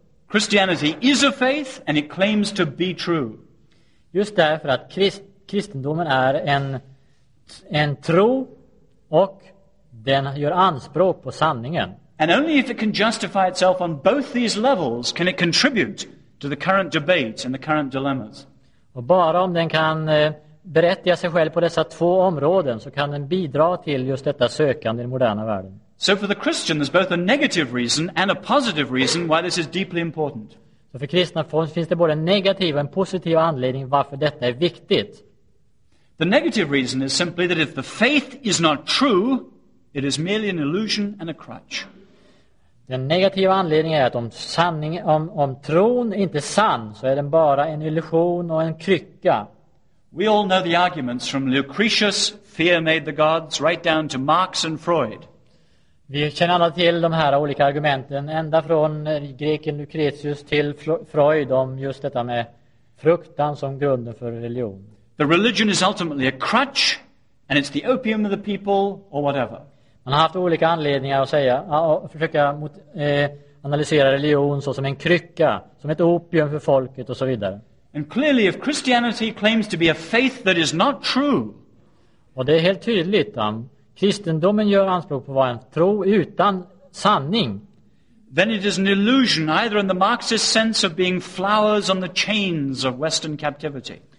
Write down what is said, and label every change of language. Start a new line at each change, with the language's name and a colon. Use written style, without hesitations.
English: Christianity is a faith and it claims to be true.
Swedish: Just därför att kristendomen är en tro och den gör anspråk på sanningen.
English: And only if it can justify itself on both these levels can it contribute to the current debate and the current dilemmas.
Swedish: Och bara om den kan berättiga sig själv på dessa två områden så kan den bidra till just detta sökande i den moderna världen.
English: So for the Christian there's both a negative reason and a positive reason why this is deeply important.
Swedish: Så för kristna finns det både en negativ och en positiv anledning varför detta är viktigt.
English: The negative reason is simply that if the faith is not true, it is merely an illusion and a crutch.
Swedish: Den negativa anledningen är att om tron inte är sann, så är den bara en illusion och en krycka.
English: We all know the arguments from Lucretius, fear made the gods, right down to Marx and Freud.
Swedish: Vi känner alla till de här olika argumenten, ända från greken Lucretius till Freud, om just detta med fruktan som grunden för religion.
English: The religion is ultimately a crutch and it's the opium of the people or whatever.
Swedish: Man har haft olika anledningar att säga att försöka analysera religion så som en krycka, som ett opium för folket och så vidare.
English: And clearly if Christianity claims to be a faith that is not true.
Swedish: Och det är helt tydligt om kristendomen gör anspråk på vad en tro utan sanning.
English: Then it is an illusion, either in the Marxist sense of being flowers on the chains of Western captivity.